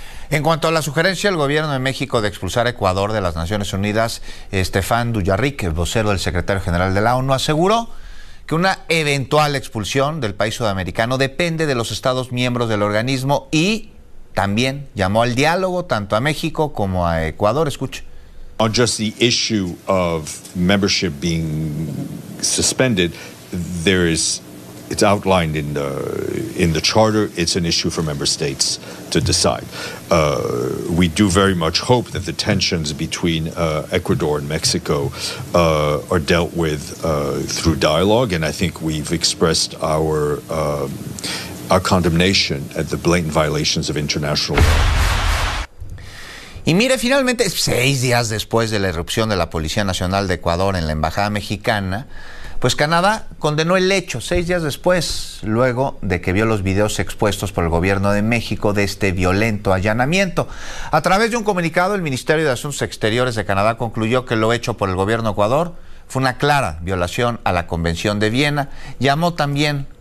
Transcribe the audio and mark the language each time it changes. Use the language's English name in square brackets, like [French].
[Spanish] En cuanto a la sugerencia del gobierno de México de expulsar a Ecuador de las Naciones Unidas, Stefan Dujarric, vocero del secretario general de la ONU, aseguró que una eventual expulsión del país sudamericano depende de los estados miembros del organismo y también llamó al diálogo tanto a México como a Ecuador. Escuche. [English] On just the issue of membership being suspended, there is, it's outlined in the charter, it's an issue for member states to decide. We do very much hope that the tensions between Ecuador and Mexico are dealt with through dialogue, and I think we've expressed our condemnation at the blatant violations of international law. [Spanish] Y mire, finalmente, 6 días después de la irrupción de la Policía Nacional de Ecuador en la Embajada Mexicana, pues Canadá condenó el hecho 6 días después, luego de que vio los videos expuestos por el gobierno de México de este violento allanamiento. A través de un comunicado, el Ministerio de Asuntos Exteriores de Canadá concluyó que lo hecho por el gobierno de Ecuador fue una clara violación a la Convención de Viena. Llamó también